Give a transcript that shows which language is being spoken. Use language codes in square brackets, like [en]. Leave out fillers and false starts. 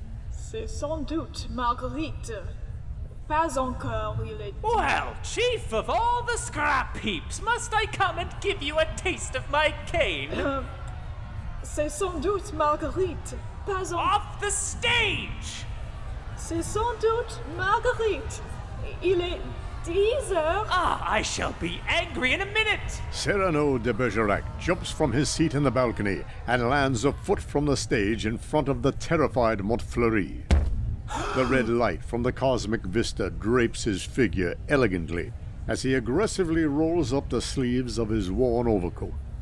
[fr] C'est sans doute Marguerite. Pas encore, il est... [en] Well, chief of all the scrap heaps, must I come and give you a taste of my cane? [fr] C'est sans doute Marguerite. [en] Basil. Off the stage! [fr] C'est sans doute Marguerite. Il est 10 heures. [en] Ah, I shall be angry in a minute. Cyrano de Bergerac jumps from his seat in the balcony and lands a foot from the stage in front of the terrified Montfleury. The red light from the cosmic vista drapes his figure elegantly as he aggressively rolls up the sleeves of his worn overcoat.